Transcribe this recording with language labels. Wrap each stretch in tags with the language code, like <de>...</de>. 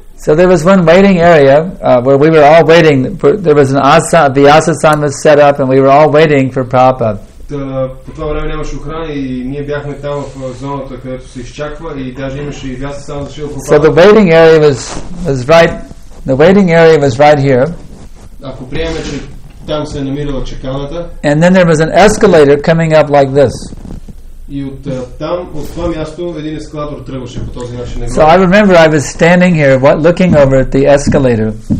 <en>So there was one waiting area where we were all waiting. There was an asana, the asana was set up and we were all waiting for Prabhupada.</en> <bg>По това време нямаше охрана и ние бяхме там в зоната, където се изчаква и даже имаше и вяса само за Шрила Прабхупада.</bg> <en>So the waiting area was right. The waiting area was right here.</en> <bg>Ако приеме, че там се е намирала чакалната.</bg> <en>And then there was an escalator coming up like this.</en> <bg>И от там, от това място, един ескалатор тръгваше по този начин.</bg> <en>So I remember I was standing here looking over at the escalator.</en>